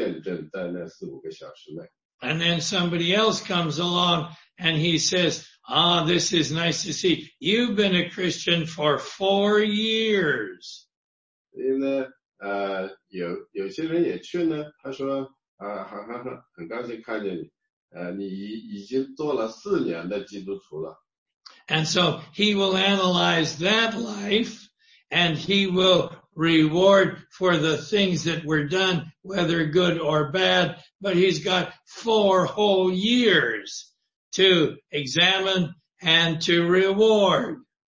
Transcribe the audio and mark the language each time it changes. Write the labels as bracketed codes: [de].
[zh] 但是呢，他说呢，也许比如是跟他说，你做了一个很好的见证，你站在我这边，你去责备另外左边的那十字架上那个囚徒，说难道你不怕神吗？所以你为我做了很好的见证，在那四五个小时内。 [en] And then somebody else comes along and he says, ah, this is nice to see. You've been a Christian for 4 years. [zh] 所以呢，有些人也去呢，他说，很高兴看见你，你已经做了4年的基督徒了。 [en] And so he will analyze that life and he will reward for the things that were done, whether good or bad, but he's got 4 whole years to examine and to reward.